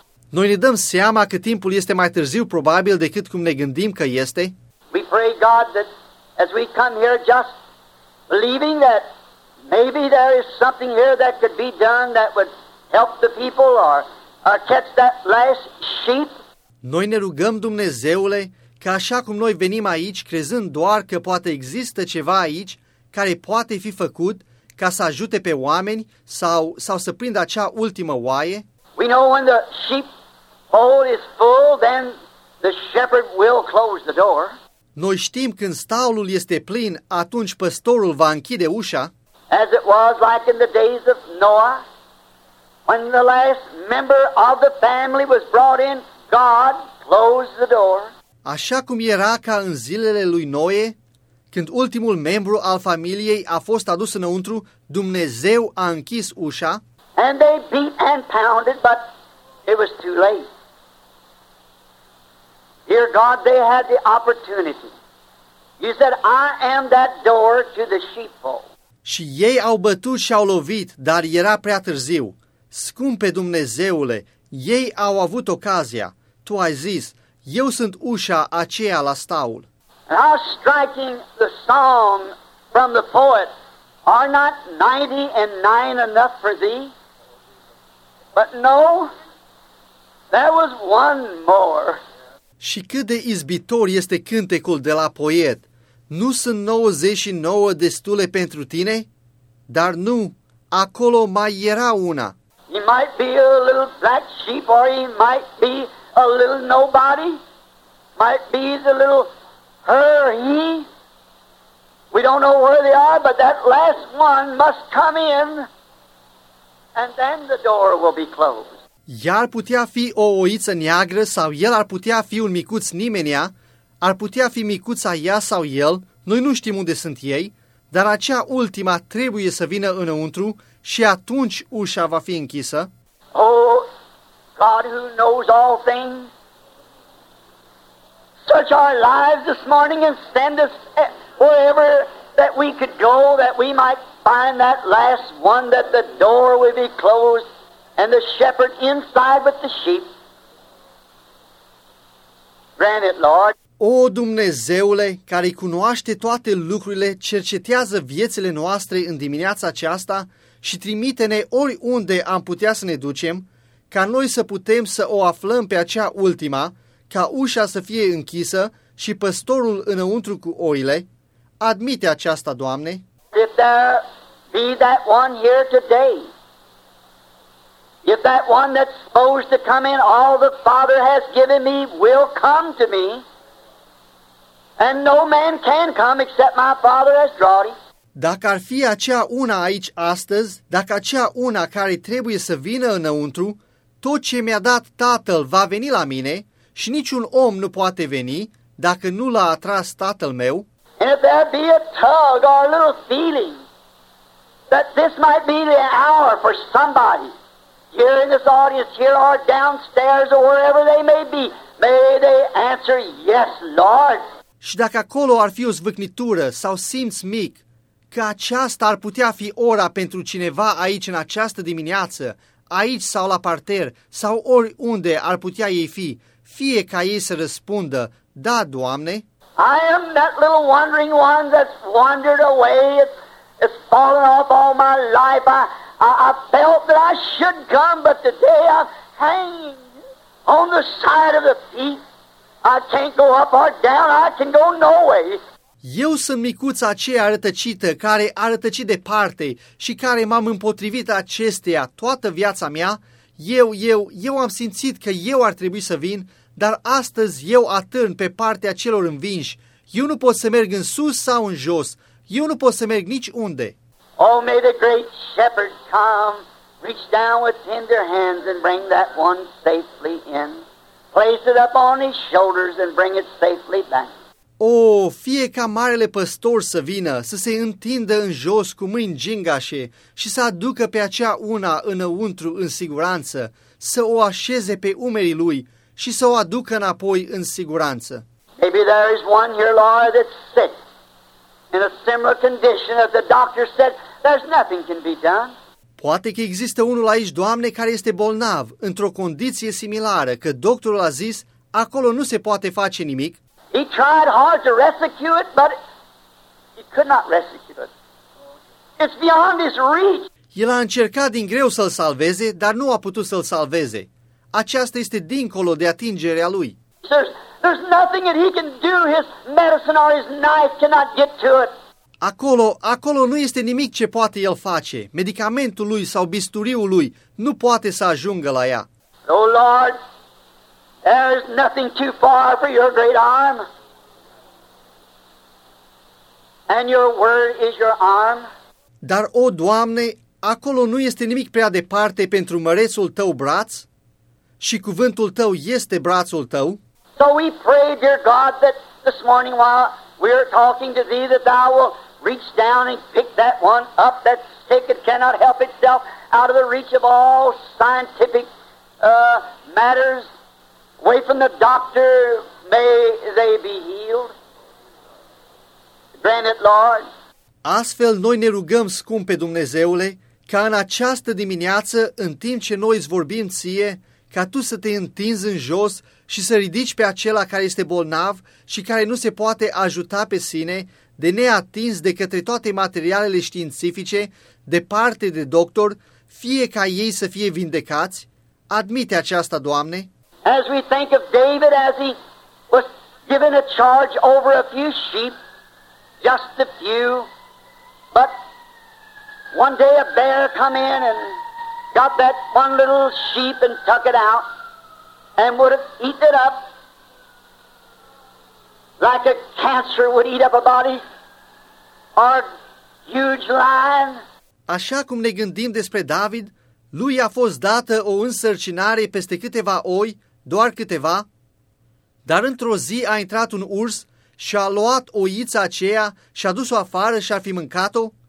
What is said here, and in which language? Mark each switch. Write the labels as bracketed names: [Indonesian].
[Romanian] Noi ne dăm seama că timpul este mai târziu probabil decât cum ne gândim că este. [English] We pray God that as we come here just believing that maybe there is something here that could be done that would help the people or catch that last sheep. [Romanian] Noi ne rugăm, Dumnezeule, că așa cum noi venim aici crezând doar că poate există ceva aici care poate fi făcut ca să ajute pe oameni sau să prindă acea ultimă oaie. [English] We know when the sheepfold is full, then the shepherd will close the door. [Romanian] Noi știm când staulul este plin, atunci păstorul va închide ușa. [English] As it was like in the days of Noah, when the last member of the family was brought in, God closed the door. [Romanian] Așa cum era ca în zilele lui Noe, când ultimul membru al familiei a fost adus înăuntru, Dumnezeu a închis ușa. [English] And they beat and pounded, but it was too late. Dear God, they had the opportunity. You said, I am that door to the sheepfold. [Romanian] Și ei au bătut și au lovit, dar era prea târziu. Scumpe Dumnezeule, ei au avut ocazia. Tu ai zis, eu sunt ușa aceea la staul. [English] How striking the song from the poet, "Are not 99 enough for thee?" But no, there was one more. [Romanian] Și cât de izbitor este cântecul de la poet. Nu sunt 99 destule pentru tine? Dar nu, acolo mai era una. [English] He might be a little black sheep, or he might be a little nobody. Might be the little her, he. We don't know where they are, but that last one must come in. And then the door will be closed. [Romanian] Iar putea fi o oiță neagră sau el ar putea fi un micuț nimenea, ar putea fi micuța ea sau el, noi nu știm unde sunt ei, dar acea ultima trebuie să vină înăuntru și atunci ușa va fi închisă. [English] Oh, God who knows all things, search our lives this morning and send us wherever that we could go that we might find that last one that the door will be closed. And the shepherd inside with the sheep. Grant it, Lord. [Romanian] O Dumnezeule, care cunoaște toate lucrurile, cercetează viețile noastre în dimineața aceasta și trimite-ne oriunde am putea să ne ducem, ca noi să putem să o aflăm pe acea ultima, ca ușa să fie închisă și păstorul înăuntru cu oile. Admite aceasta, Doamne. [English] If there be that one here today, if that one that's supposed to come in, all the Father has given me will come to me, and no man can come except my Father has drawn him. [Romanian] Dacă ar fi acea una aici astăzi, dacă acea una care trebuie să vină înăuntru, tot ce mi-a dat Tatăl va veni la mine și niciun om nu poate veni dacă nu l-a atras Tatăl meu. [English] And if there be a tug or a little feeling that this might be the hour for somebody, here in this audience, here or downstairs or wherever they may be, may they answer, "Yes, Lord." [Romanian] Și dacă acolo ar fi o zvâcnitură sau simți mic, că aceasta ar putea fi ora pentru cineva aici în această dimineață, aici sau la parter, sau oriunde ar putea ei fi, fie ca ei să răspundă, "Da, Doamne." [English] I am that little wandering one that's wandered away, it's fallen off all my life, I felt that I should come, but today I'm hanging on the side of the feet. I can't go up or down. I can go nowhere. [Romanian] Eu sunt micuța aceea rătăcită care a rătăcit departe și care m-am împotrivit acesteia toată viața mea. Eu am simțit că eu ar trebui să vin, dar astăzi eu atârn pe partea celor învinși. Eu nu pot să merg în sus sau în jos. Eu nu pot să merg niciunde. [English] Oh, may the great shepherd come, reach down with tender hands and bring that one safely in. Place it up on his shoulders and bring it safely back. [Romanian] Oh, fie ca marele păstor să vină, să se întindă în jos cu mâini gingașe și să aducă pe acea una înăuntru în siguranță, să o așeze pe umerii lui și să o aducă înapoi în siguranță. [English] Maybe there is one here, Lord, that's sick. In a similar condition as the doctor said, there's nothing can be done. [Romanian] Poate că există unul aici, Doamne, care este bolnav, într-o condiție similară, că doctorul a zis, acolo nu se poate face nimic. [English] He tried hard to rescue it, but he could not rescue it. It's beyond his reach. [Romanian] El a încercat din greu să-l salveze, dar nu a putut să-l salveze. Aceasta este dincolo de atingerea lui. [English] There's nothing that he can do. His medicine or his knife cannot get to it. [Romanian] Acolo nu este nimic ce poate el face. Medicamentul lui sau bisturiul lui nu poate să ajungă la ea. [English] Oh Lord, there is nothing too far for your great arm. And your word is your arm. [Romanian] Dar o Doamne, acolo nu este nimic prea departe pentru mărețul tău braț și cuvântul tău este brațul tău. [English] So we pray, dear God, that this morning while we are talking to thee, that thou will reach down and pick that one up that's sick and cannot help itself out of the reach of all scientific matters, away from the doctor, may they be healed. Grant it, Lord. [Romanian] Astfel, noi ne rugăm, scumpe Dumnezeule, ca în această dimineață, în timp ce noi îți vorbim ție, ca tu să te întinzi în jos și să ridici pe acela care este bolnav și care nu se poate ajuta pe sine, de neatins de către toate materialele științifice, departe de doctor, fie ca ei să fie vindecați? Admite aceasta, Doamne? [English] As we think of David as he was given a charge over a few sheep, just a few, but one day a bear come in and got that one little sheep and took it out and would have eaten it up like a cancer would eat up a body or a huge lion. [Romanian] Așa cum ne gândim despre David, lui a fost dată o însărcinare peste câteva oi, doar câteva, dar într-o zi a intrat un urs și a luat oița aceea și a dus-o afară și ar fi mâncat-o?